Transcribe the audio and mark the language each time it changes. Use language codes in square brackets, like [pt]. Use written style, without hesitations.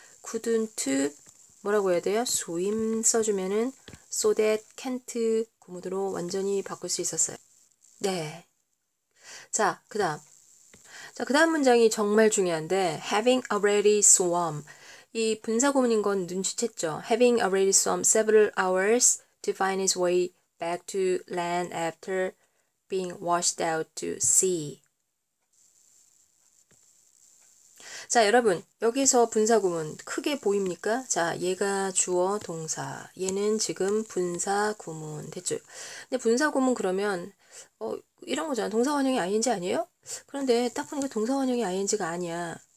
[ko] couldn't, 뭐라고 해야 돼요? swim 써주면은 [en] so that can't [ko] 구문으로 완전히 바꿀 수 있었어요. 네. 자, 그 다음. 자, 그 다음 문장이 정말 중요한데, [en] having already swum. [ko] 이 분사 구문인 건 눈치챘죠? [en] having already swum several hours to find his way back to land after being washed out to sea. [ko] 자, 여러분, 여기서 분사구문 크게 보입니까? 자, 얘가 주어 동사. 얘는 지금 분사구문. 됐죠? 근데 분사구문 그러면, 이런 거잖아. 동사원형이 ing 아니에요? 그런데 딱 보니까 동사원형이 ing가 아니야.